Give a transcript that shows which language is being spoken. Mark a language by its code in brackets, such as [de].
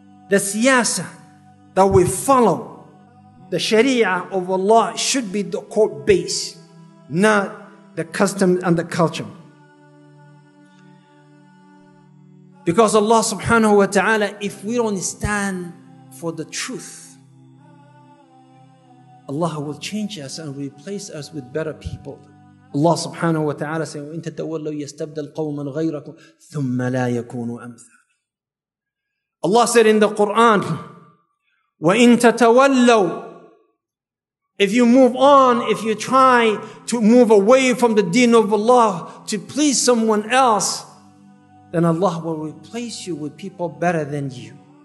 [en] The siyasa that we follow, the sharia of Allah, should be the court base, not the custom and the culture. Because Allah subhanahu wa ta'ala, if we don't stand for the truth, Allah will change us and replace us with better people. Allah subhanahu wa ta'ala says, [ar] وَإِن تَتَوَلَّوْا يَسْتَبْدَلْ قَوْمًا غَيْرَكُمْ ثُمَّ لَا يَكُونُوا أَمْثَالَكُمْ. [en] Allah said in the Quran, [ar] وَإِن تَتَوَلَّوْا, [en] if you move on, if you try to move away from the deen of Allah to please someone else, then Allah will replace you with people better than you.